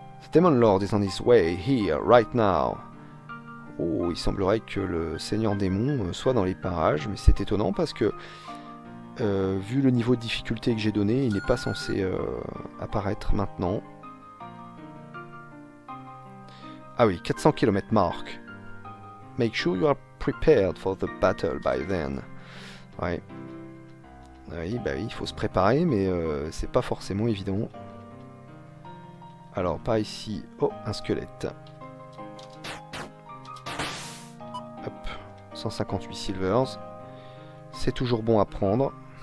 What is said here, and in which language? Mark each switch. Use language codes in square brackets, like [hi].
[en] Demon Lord is on his way here, right now. [fr] Oh, il semblerait que le Seigneur Démon soit dans les parages, mais c'est étonnant parce que, vu le niveau de difficulté que j'ai donné, il n'est pas censé apparaître maintenant. Ah oui, 400 km marque. [en] Make sure you are prepared for the battle by then. Ouais. [fr] Oui, bah oui, il faut se préparer, mais c'est pas forcément évident. Alors, pas ici. Oh, un squelette. Hop, 158 silvers. C'est toujours bon à prendre.